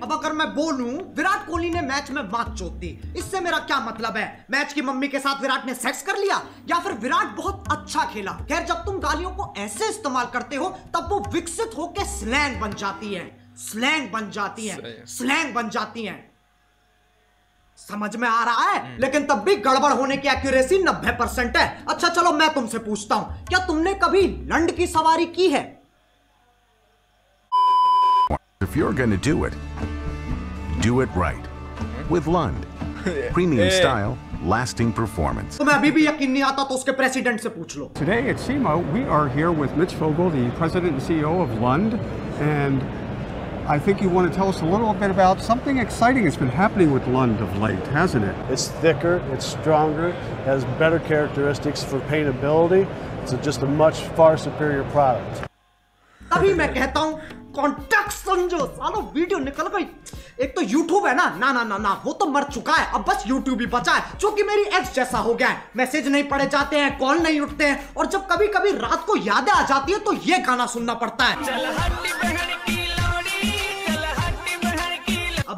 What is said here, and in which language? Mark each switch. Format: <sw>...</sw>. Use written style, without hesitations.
<hi>अब अगर मैं बोलूं विराट कोहली ने मैच में बात चोट दी इससे मेरा क्या मतलब है मैच की मम्मी के साथ विराट ने सेक्स कर लिया या फिर विराट बहुत अच्छा खेला खैर जब तुम गालियों को ऐसे इस्तेमाल करते हो तब वो विकसित होकर स्लैंग बन जाती है समझ में आ रहा है लेकिन तब भी गड़बड़ होने की एक्यूरेसी 90% है अच्छा चलो मैं तुमसे पूछता हूं क्या तुमने कभी लंड की सवारी की है</hi> <en>If you're going to do it right. With Lund. Premium style, lasting performance.</en> <hi>तो मैं अभी भी यकीन नहीं आता तो उसके प्रेसिडेंट से पूछ लो.</hi> <en>Today at SEMA, we are here with Mitch Fogel, the president and CEO of Lund. And I think you want to tell us a little bit about something exciting that's been happening with Lund of late, hasn't it? It's thicker, it's stronger, has better characteristics for paintability. It's just a much far superior product.</en> <hi>तभी मैं कहता हूँ context समझो सालो video निकल गई एक तो यूट्यूब है ना ना ना ना ना वो तो मर चुका है अब बस यूट्यूब ही बचा है जो कि मेरी एक्स जैसा हो गया है मैसेज नहीं पढ़े जाते हैं कॉल नहीं उठते हैं और जब कभी कभी रात को यादें आ जाती है तो ये गाना सुनना पड़ता है</hi>